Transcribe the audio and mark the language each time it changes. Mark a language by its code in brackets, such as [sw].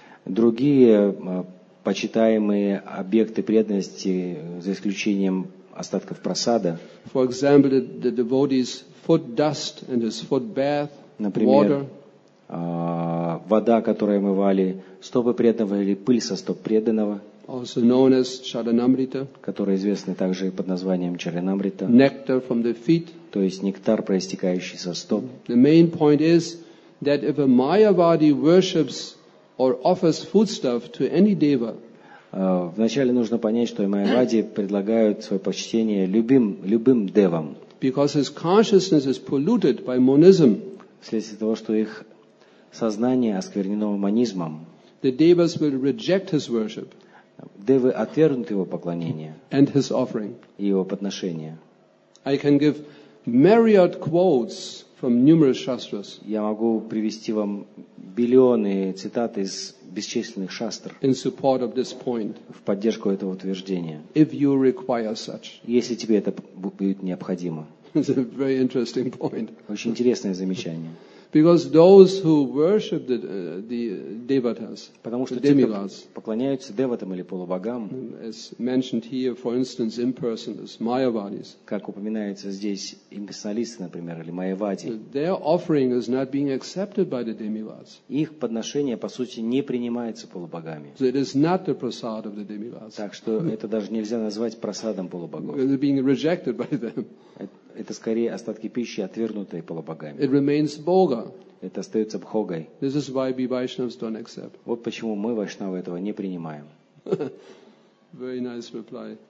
[ru] другие почитаемые объекты преданности, за исключением остатков прасада, [en] for example, the devotee's foot dust and his foot bath, [ru] Например, [en] water, [ru] вода, которую омывали стопы преданного, или пыль со стоп преданного, [en] also known as Charanamrita, [ru] которые известны также под названием Чаранамрита, [en] nectar from the feet, [ru] то есть нектар, проистекающий со стоп. [en] The main point is that if a Mayavadi worships or offers foodstuff to any deva, [ru] вначале нужно понять, что Майявади предлагают свое почтение любым девам. [en] Because his consciousness is polluted by monism. [ru] Вследствие того, что их сознание осквернено монизмом. [en] The devas will reject his worship. [ru] Девы отвергнут его поклонение. [en] And his offering. [ru] И его подношение. [en] I can give myriad quotes from numerous shastras. [ru] Я могу привести вам биллионы цитат из бесчисленных шастр [en] in support of this point, [ru] в поддержку этого утверждения, [en] if you require such. [ru] Если тебе это будет необходимо. [en] It's a very interesting point. [ru] Очень интересное замечание. [en] Because those who worship the devatas, [ru] потому что те, кто поклоняются деватам или полубогам, [en] as mentioned here, for instance, impersonalists, Mayavadis, [ru] как упоминается здесь имперсоналисты, например, или майявади, [en] their offering is not being accepted by the demigods. [ru] Их подношение, по сути, не принимается полубогами. [en] So it is not the prasad of the demigods. [ru] Так что это даже нельзя назвать просадом полубогов. [en] It is being rejected by them. [ru] Это скорее остатки пищи, отвергнутые полубогами. [en] It remains boga. [ru] Это остается бхогой. [en] This is why we Vaishnavas don't accept. [ru] Вот почему мы, вайшнавы, этого не принимаем. [en] Very nice reply.